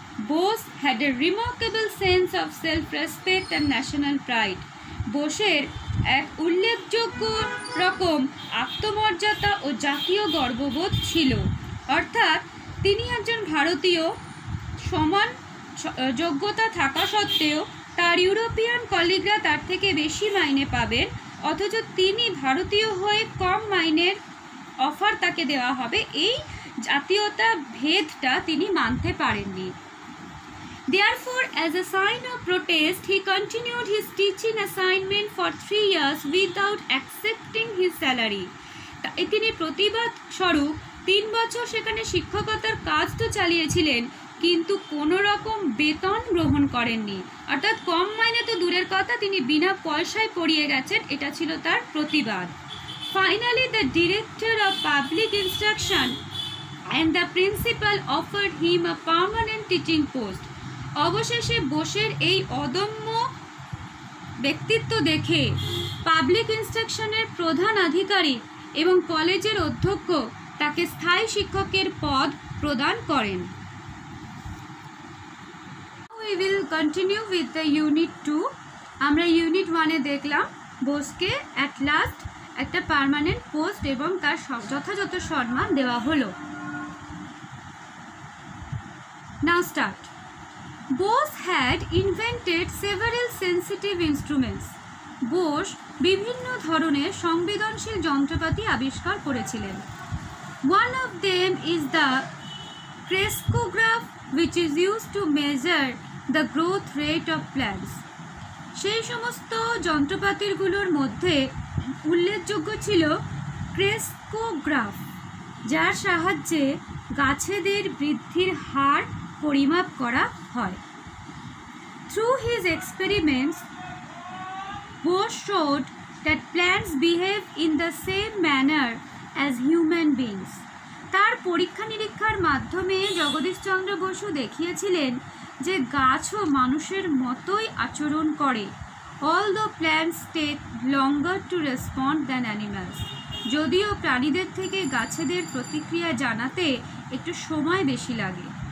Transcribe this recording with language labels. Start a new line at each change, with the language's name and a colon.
English: Bose had a remarkable sense of self respect and national pride,
Bangla: বোসের এক উল্লেখযোগ্য রকম আত্মমর্যাদা ও জাতীয় গর্ববোধ ছিল, অর্থাৎ তিনি একজন ভারতীয়, সমান যোগ্যতা থাকা সত্ত্বেও তার ইউরোপিয়ান কলিগরা তার থেকে বেশি মাইনে পাবেন, অথচ তিনি ভারতীয় হয়ে কম মাইনের অফার তাকে দেওয়া হবে, এই জাতীয়তা ভেদটা তিনি মানতে পারেননি।
English: Therefore, as a sign of protest, he continued his teaching assignment for 3 years without accepting his salary.
Bangla: তিনি প্রতিবাদ স্বরূপ 3 বছর সেখানে শিক্ষকতার কাজ তো চালিয়েছিলেন কিন্তু কোনো রকম বেতন গ্রহণ করেননি, অর্থাৎ কম মাইনে তো দূরের কথা, তিনি বিনা পয়সায় পড়িয়ে গেছেন, এটা ছিল তার প্রতিবাদ।
English: finally the director of public instruction and the principal offered him a permanent teaching post,
Bangla: অবশেষে বোসের এই অদম্য ব্যক্তিত্ব দেখে পাবলিক ইনস্ট্রাকশনের প্রধান আধিকারিক এবং কলেজের অধ্যক্ষ তাকে স্থায়ী শিক্ষকের পদ প্রদান করেন।
English: We will continue with the unit two.
Bangla: আমরা ইউনিট ওয়ানে দেখলাম বোসকে
English: at last
Bangla: একটা পার্মানেন্ট পোস্ট এবং তার যথাযথ সম্মান দেওয়া হলো।
English: Now start. Bose had invented several sensitive instruments.
Bangla: Bose বিভিন্ন ধরনের সংবেদনশীল যন্ত্রপাতি আবিষ্কার করেছিলেন।
English: One of them is the crescograph, which is used to measure the growth rate of plants.
Bangla: সেই সমস্ত যন্ত্রপাতিগুলোর মধ্যে উল্লেখযোগ্য ছিল crescograph, যার সাহায্যে গাছেদের বৃদ্ধির হার পরিমাপ করা হয়।
English: Through his experiments, Bose showed that plants behave in the same manner as human beings.
Bangla: তার পরীক্ষা নিরীক্ষার মাধ্যমে জগদীশচন্দ্র বসু দেখিয়েছিলেন যে গাছও মানুষের মতোই আচরণ করে,
English: All the plants take longer to respond than animals.
Bangla: যদিও প্রাণীদের থেকে গাছেদের প্রতিক্রিয়া জানাতে একটু সময় বেশি লাগে।